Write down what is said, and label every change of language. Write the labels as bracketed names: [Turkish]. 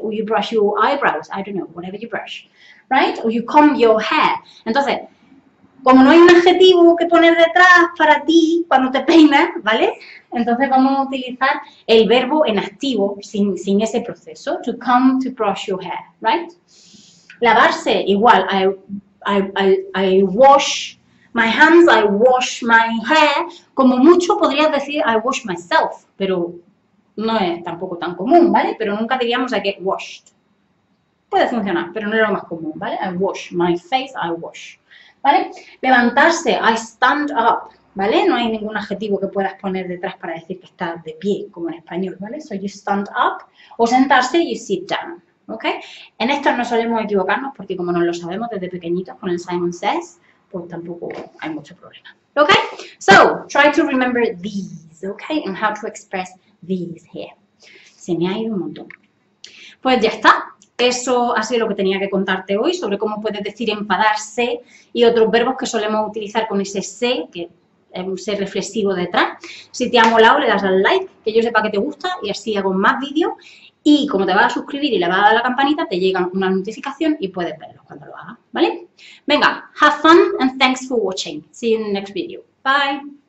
[English] Or you brush your eyebrows, I don't know, whatever you brush, right? Or you comb your hair. [Spanish] Entonces, como no hay un adjetivo que poner detrás para ti cuando te peinas, ¿vale? Entonces vamos a utilizar el verbo en activo sin ese proceso. [English] To comb, to brush your hair, right? [Spanish] Lavarse, igual. [English] I wash my hands, I wash my hair. [Spanish] Como mucho podrías decir [English] I wash myself, [Spanish] pero no es tampoco tan común, ¿vale? Pero nunca diríamos [English] I get washed. [Spanish] Puede funcionar, pero no es lo más común, ¿vale? [English] I wash my face, I wash. [Spanish] ¿Vale? Levantarse, [English] I stand up, [Spanish] ¿vale? No hay ningún adjetivo que puedas poner detrás para decir que estás de pie, como en español, ¿vale? [English] So you stand up [Spanish] o sentarse, [English] you sit down, ¿ok? [Spanish] En esto no solemos equivocarnos porque como nos lo sabemos desde pequeñitos con el Simon Says, pues tampoco hay mucho problema, ¿ok? [English] So, try to remember these, ¿ok? And how to express these here. [Spanish] Se me ha ido un montón. Pues ya está. Eso ha sido lo que tenía que contarte hoy sobre cómo puedes decir enfadarse y otros verbos que solemos utilizar con ese se, que es un se reflexivo detrás. Si te ha molado, le das al like, que yo sepa que te gusta y así hago más vídeos. Y como te vas a suscribir y le vas a dar a la campanita, te llega una notificación y puedes verlos cuando lo hagas, ¿vale? [English] Venga, have fun and thanks for watching. See you in the next video. Bye.